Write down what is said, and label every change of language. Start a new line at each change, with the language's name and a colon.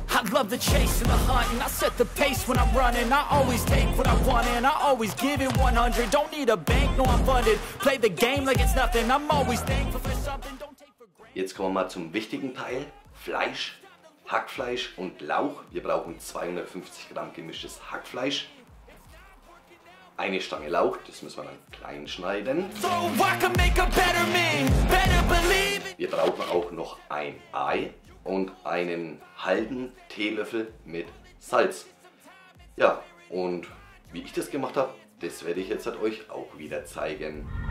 English: Love the chase and the hunt, and I set the pace when I'm running. I always take what I want, and I always give it 100. Don't need a bank, no, I'm funded. Play the game like it's nothing. I'm always thankful for something. Don't take for granted.
German: Jetzt kommen wir mal zum wichtigen Teil: Fleisch, Hackfleisch und Lauch. Wir brauchen 250 Gramm gemischtes Hackfleisch. Eine Stange Lauch, das müssen wir dann klein schneiden.
English: So I can make a better me, better believe it.
German: Wir brauchen auch noch ein Ei. Und einen halben Teelöffel mit Salz. Ja, und wie ich das gemacht habe, das werde ich jetzt halt euch auch wieder zeigen.